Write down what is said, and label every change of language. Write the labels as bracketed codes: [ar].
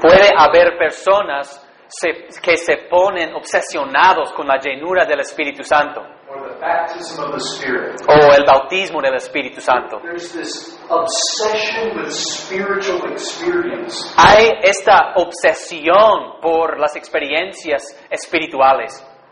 [es] Puede haber personas que se ponen obsesionados con la llenura del Espíritu Santo. [en] Or the baptism of the Spirit. [es] O el bautismo del Espíritu Santo. [en] There's this obsession with spiritual experience. [es] Hay esta obsesión por las experiencias espirituales.